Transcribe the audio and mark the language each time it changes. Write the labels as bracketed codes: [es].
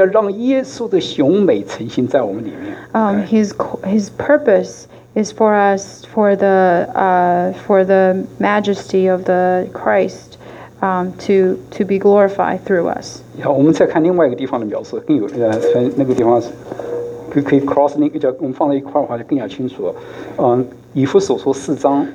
[zh] 也就是说神的目的让我们在肉身里面，我们今天改变了，然后再怎么样，他要目的是要让耶稣的雄美呈现在我们里面。 [en] His purpose is for us, for the majesty of the Christ, to be glorified through us. [zh] 好，我们再看另外一个地方的描述，更有那个地方是可以 cross 那个叫我们放在一块的话就更加清楚了。以弗所书四章。